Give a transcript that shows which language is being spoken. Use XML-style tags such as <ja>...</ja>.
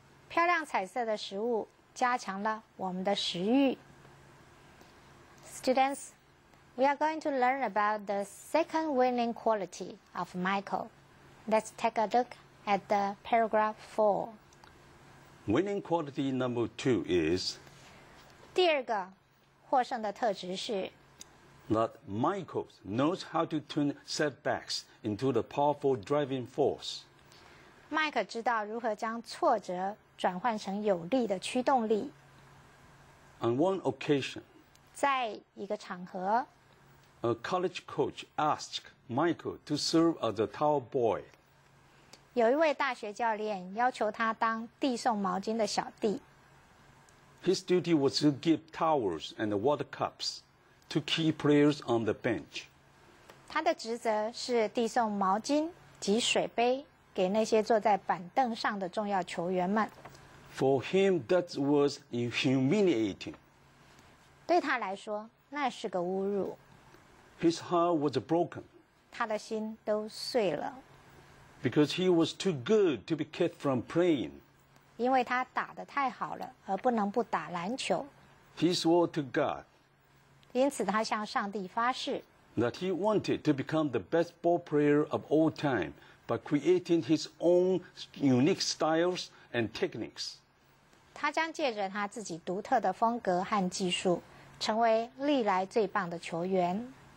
<zh>漂亮彩色的食物加强了我们的食欲。</zh> <en>Students, we are going to learn about the second winning quality of Michael. Let's take a look at the paragraph 4. Winning quality number 2 is</en> <zh>第二个获胜的特质是</zh> <en>that Michael knows how to turn setbacks into the powerful driving force.</en> <zh>Mike 知道如何将挫折转换成有力的驱动力。</zh> <en>On one occasion,</en> <zh>在一个场合</zh> <en>，A college coach asked Michael to serve as a towel boy.</en> <zh>有一位大学教练要求他当递送毛巾的小弟。</zh> <en>His duty was to give towels and water cups to key players on the bench.</en> <zh>他的职责是递送毛巾及水杯给那些坐在板凳上的重要球员们。</zh> <en>For him, that was humiliating.</en> <zh>对他来说，那是个侮辱。</zh> <en>His heart was broken.</en> <zh>他的心都碎了。</zh> <en>Because he was too good to be kept from playing.</en> <zh>因为他打得太好了，而不能不打篮球。</zh> <en>He swore to God.</en> <zh>因此，他向上帝发誓。</zh> <en>That he wanted to become the best ball player of all time by creating his own unique styles. And techniques.</en> <zh>他将借着他自己独特的风格和技术，成为历来最棒的球员。</zh>